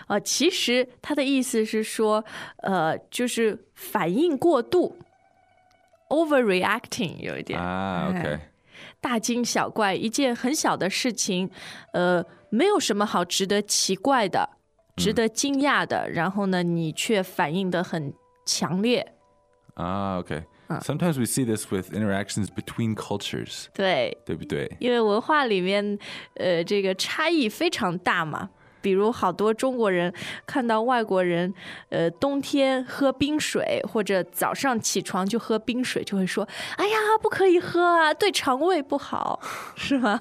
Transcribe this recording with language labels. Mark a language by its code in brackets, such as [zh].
[zh] 其实它的意思是说，就是反应过度， overreacting 有一点啊。OK, 大惊小怪，一件很小的事情，没有什么好值得奇怪的，值得惊讶的，然后呢你却反应得很强烈。 okay. [en] Sometimes we see this with interactions between cultures. [zh] 对。对不对？因为文化里面这个差异非常大嘛。比如好多中国人看到外国人冬天喝冰水或者早上起床就喝冰水就会说哎呀不可以喝啊对肠胃不好是吗